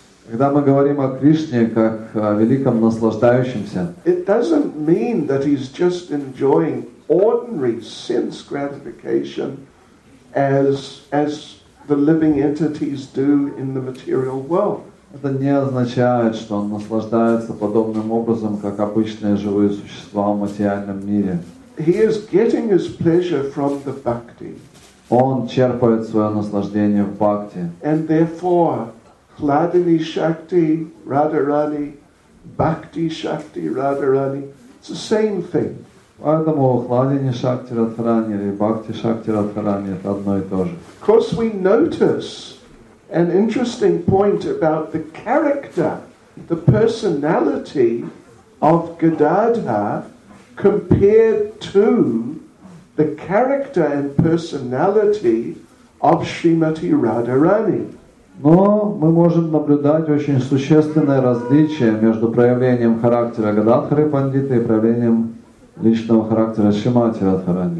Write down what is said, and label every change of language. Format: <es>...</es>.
<ru>когда мы говорим о Кришне как о великом наслаждающемся,</ru> <en>it doesn't mean that he's just enjoying ordinary sense gratification as the living entities do in the material world.</en> <ru>Это не означает, что он наслаждается подобным образом, как обычные живые существа в материальном мире.</ru> <en>He is getting his pleasure from the bhakti.</en> <ru>Он черпает свое наслаждение в бхакти.</ru> <en>And therefore, Kladini Shakti, Radharani, Bhakti Shakti, Radharani, it's the same thing.</en> <ru>Поэтому Kladini Shakti Radharani или Bhakti Shakti Radharani это одно и то же.</ru> <en>Of course, we notice an interesting point about the character, the personality of Gadadhara compared to the character and personality of Srimati Radharani.</en> <ru>Но мы можем наблюдать очень существенное различие между проявлением характера Гададхары Пандиты и проявлением личного характера Шримати Радхарани.</ru>